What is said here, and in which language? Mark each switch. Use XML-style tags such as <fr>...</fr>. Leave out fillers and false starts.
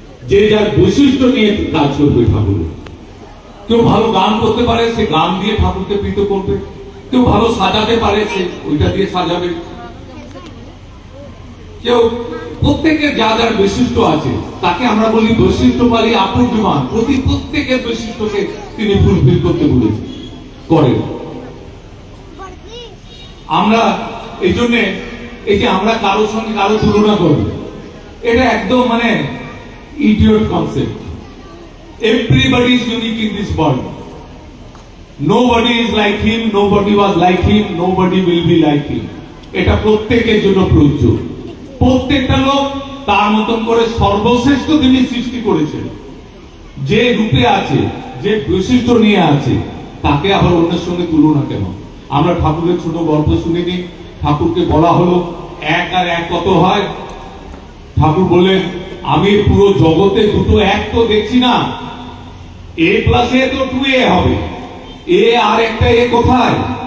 <bn>যে যার বৈশিষ্ট্য নিয়ে কাজ করবে ঠাকুরের, কেউ ভালো গান করতে পারে সে গান দিয়ে ঠাকুরকে প্রীত করবে, কেউ ভালো সাজাতে পারে সে ওইটা দিয়ে সাজাবে, কেউ প্রত্যেকের যা যার বৈশিষ্ট্য আছে তাকে আমরা বলি বৈশিষ্ট্য বলি আপুর্যমান, প্রতি প্রত্যেকের বৈশিষ্ট্যকে তিনি ফুলফিল করতে বলেছে করে। আমরা এই জন্য এই যে আমরা কারোর সঙ্গে কারো তুলনা করবো এটা একদম মানে idiot concept.</bn> <en>Everybody is unique in this world. Nobody is like him, nobody was like him, nobody will be like him.</en> <bn>এটা প্রত্যেকের জন্য প্রযোজ্য, প্রত্যেকটা লোক তার মতন করে সর্বশ্রেষ্ঠ তিনি সৃষ্টি করেছেন, যে রূপে আছে যে বৈশিষ্ট্য নিয়ে আছে তাকে আবার অন্যের সঙ্গে তুলনা কেন। আমরা ঠাকুরের ছোট গল্প শুনে নিই, ঠাকুরকে বলা হলো এক আর এক কত হয়, ঠাকুর বললেন আমি পুরো জগতে দুটো এক তো দেখছি না, এ প্লাস এ তো 2A হবে, এ আর একটা এ কোথায়?</bn>